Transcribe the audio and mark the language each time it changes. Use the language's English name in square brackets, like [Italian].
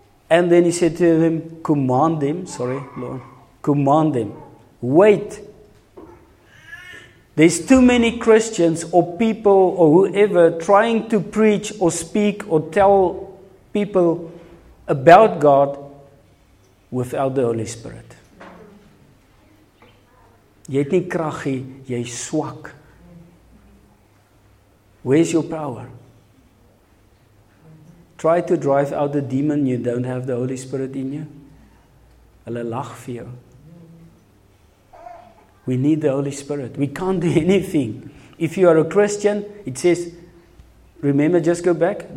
[English] And then he said to them, command them, wait. There's too many Christians or people or whoever trying to preach or speak or tell people about God without the Holy Spirit. [Afrikaans] Jy het nie krag nie, jy is swak. [English] Where's your power? Try to drive out the demon, you don't have the Holy Spirit in you. [Afrikaans] Hulle lag vir jou. [English] We need the Holy Spirit. We can't do anything. If you are a Christian, it says, remember, just go back.